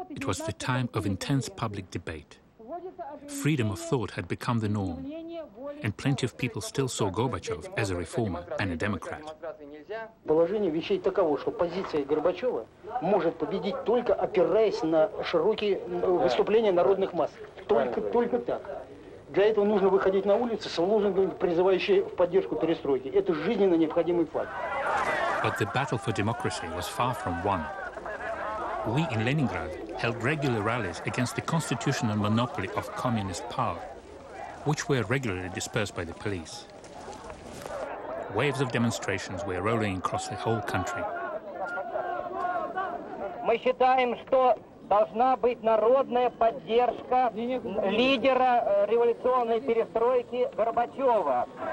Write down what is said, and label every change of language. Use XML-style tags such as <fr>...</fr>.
<en>It was the time of intense public debate. Freedom of thought had become the norm, and plenty of people still saw Gorbachev as a reformer and a democrat.</en> <ru>Положение вещей таково, что позиция Горбачева может победить только опираясь на широкие выступления народных масс. Только так. Для этого нужно выходить на улицы с лозунгами, призывающими в поддержку перестройки. Это жизненно необходимый факт.</ru> <en>But the battle for democracy was far from won. We in Leningrad held regular rallies against the constitutional monopoly of communist power, which were regularly dispersed by the police. Waves of demonstrations were rolling across the whole country.</en> <ru>Мы считаем, что должна быть народная поддержка лидера революционной перестройки Горбачева.</ru>